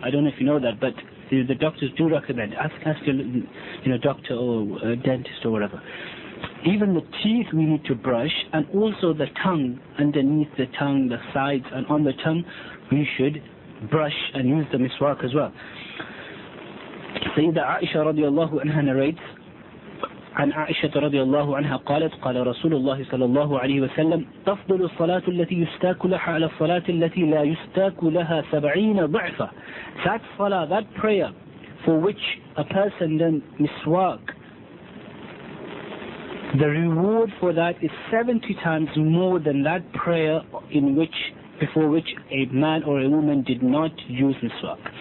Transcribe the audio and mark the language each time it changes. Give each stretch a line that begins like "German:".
English: I don't know if you know that, but the doctors do recommend. Ask your, you know, doctor or dentist or whatever. Even the teeth we need to brush, and also the tongue, underneath the tongue, the sides and on the tongue, we should brush and use the miswak as well.
Arabic: Sayyida Aisha radiallahu anha narrates, عن عائشة رضي الله عنها قالت قال رسول الله صلى الله عليه وسلم تفضل الصلاة التي يستاك لها على الصلاة التي لا يستاك لها 70 ضعفا.
English: That salah, that prayer for which a person then miswak, the reward for that is 70 times more than that prayer in which before which a man or a woman did not use miswak.